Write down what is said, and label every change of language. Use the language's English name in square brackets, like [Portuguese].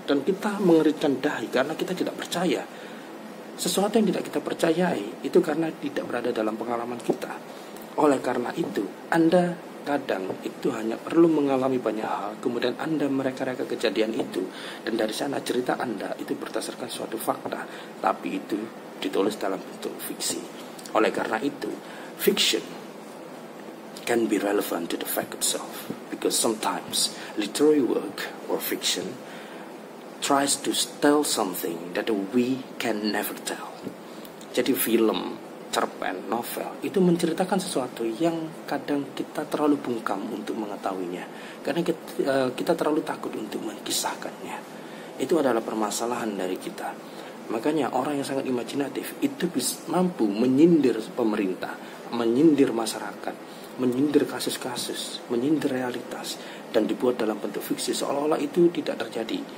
[Indonesian] Dan kita mengerutkan dahi karena kita tidak percaya. Sesuatu yang tidak kita percayai, itu karena tidak berada dalam pengalaman kita. Oleh karena itu, Anda kadang itu hanya perlu mengalami banyak hal, kemudian Anda mereka-reka kejadian itu. Dan dari sana cerita Anda itu berdasarkan suatu fakta, tapi itu ditulis dalam bentuk fiksi. Oleh karena itu, [English] fiction can be relevant to the fact itself, because sometimes literary work or fiction tries to tell something that we can never tell. [Indonesian] Jadi film, cerpen, novel itu menceritakan sesuatu yang kadang kita terlalu bungkam untuk mengetahuinya, karena kita terlalu takut untuk mengkisahkannya. Itu adalah permasalahan dari kita. Makanya orang yang sangat imajinatif itu mampu menyindir pemerintah, menyindir masyarakat, menyindir kasus-kasus, menyindir realitas, dan dibuat dalam bentuk fiksi seolah-olah itu tidak terjadi.